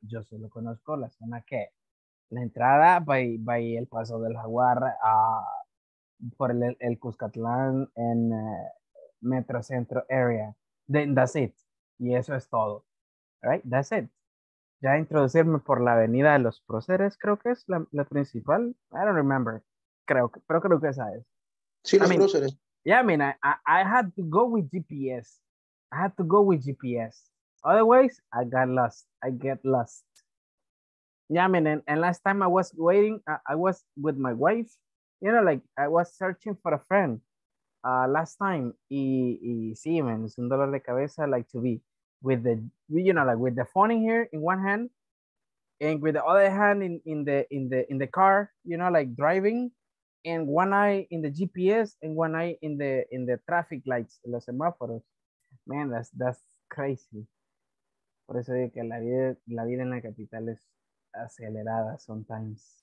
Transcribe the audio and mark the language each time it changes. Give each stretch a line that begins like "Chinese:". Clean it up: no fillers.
Spanish: Yo solo conozco la zona que la entrada by el Paso del Jaguar, por el Cuscatlán en Metro Centro area.
English: Then that's it.
Spanish: Y eso es todo.
English: All right, that's it.
Spanish: Ya introducirme por la avenida de los Próceres, creo que es la principal.
English: I don't remember.
Spanish: Creo que, pero creo que esa es. Sí, los Próceres.
English: Yeah, I mean, I had to go with GPS. I had to go with GPS. Otherwise, I got lost. I get lost. Yeah, I mean, and last time I was waiting, I was with my wife. You know, like, I was searching for a friend last time.
Spanish: Y sí, man, es un dolor de cabeza,
English: like, to be. With the, you know, like with the phone in here in one hand, and with the other hand in the car, you know, like driving, and one eye in the GPS and one eye in the traffic lights,
Spanish: los semáforos.
English: Man, that's crazy.
Spanish: Por eso digo que la vida en la capital es acelerada
English: sometimes.